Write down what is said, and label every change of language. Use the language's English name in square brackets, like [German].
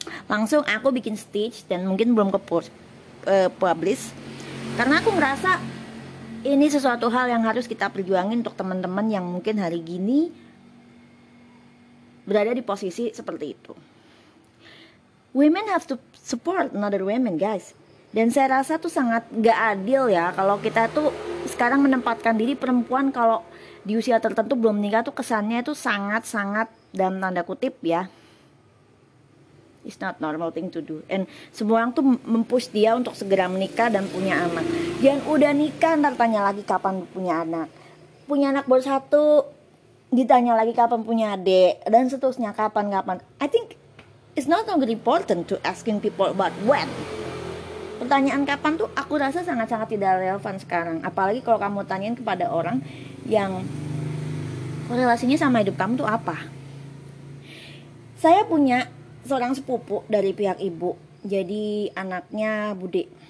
[Indonesian] Langsung aku bikin stitch dan mungkin belum publish karena aku ngerasa ini sesuatu hal yang harus kita perjuangin untuk teman-teman yang mungkin hari gini berada di posisi seperti itu. [English] Women have to support another women, guys. [Indonesian] Dan saya rasa tuh sangat gak adil ya kalau kita tuh sekarang menempatkan diri perempuan kalau di usia tertentu belum nikah tuh kesannya tuh sangat-sangat dalam tanda kutip ya, [English] it's not normal thing to do. [Indonesian] And semua orang tuh mempush dia untuk segera menikah dan punya anak. Dan udah nikah ntar tanya lagi kapan punya anak. Punya anak baru satu ditanya lagi kapan punya adik dan seterusnya kapan-kapan. [English] I think it's not really important to asking people about when. [Indonesian] Pertanyaan kapan tuh aku rasa sangat-sangat tidak relevan sekarang. Apalagi kalau kamu tanyain kepada orang yang korelasinya sama hidup kamu tuh apa. Saya punya seorang sepupu dari pihak ibu, jadi anaknya budek.